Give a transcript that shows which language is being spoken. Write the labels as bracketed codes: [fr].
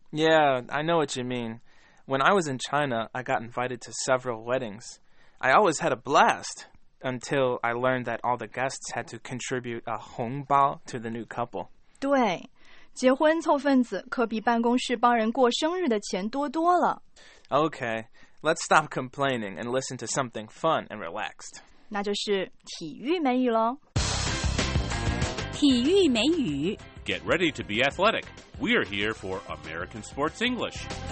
[en] Yeah, I know what you mean When I was in China, I got invited to several weddings I always had a blast Until I learned that all the guests had to contribute a 红包 to the new couple [zh] 对结婚凑份子可比办公室帮人过生日的钱多多了 [en] OkayLet's stop complaining and listen to something fun and relaxed. [zh] 那就是体育美语咯。体育美语。 [en] Get ready to be athletic. We are here for American Sports English.